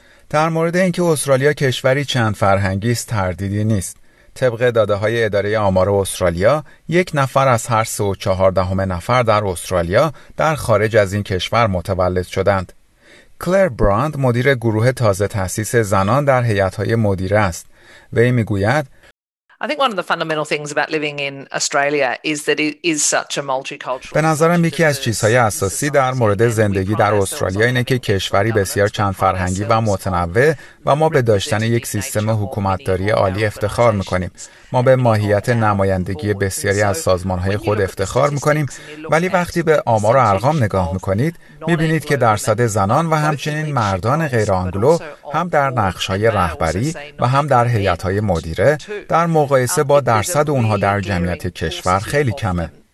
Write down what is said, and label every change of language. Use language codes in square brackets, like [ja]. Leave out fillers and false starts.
[fa] در مورد اینکه استرالیا کشوری چند فرهنگی است تردیدی نیست. طبق داده‌های اداره آمار استرالیا، 1 نفر از هر 3.4 نفر در استرالیا در خارج از این کشور متولد شدند. کلر براند مدیر گروه تازه تأسیس زنان در هیئت‌های مدیره است. وی می‌گوید: [en] I think one of the fundamental things about living in Australia is that it is such a multicultural. [fa] به نظرم یکی از چیزهای اساسی در مورد زندگی در استرالیا اینه که کشوری بسیار چند فرهنگی و متنوع و ما به داشتن یک سیستم حکومتداری عالی افتخار میکنیم. ما به ماهیت نمایندگی بسیاری از سازمانهای خود افتخار میکنیم، ولی وقتی به آمار و ارقام نگاه میکنید میبینید که درصد زنان و همچنین مردان غیر آنگلو هم در نقشهای رهبری و هم در هیئت‌های مدیره در مقایسه با درصد اونها در جمعیت کشور خیلی کمه.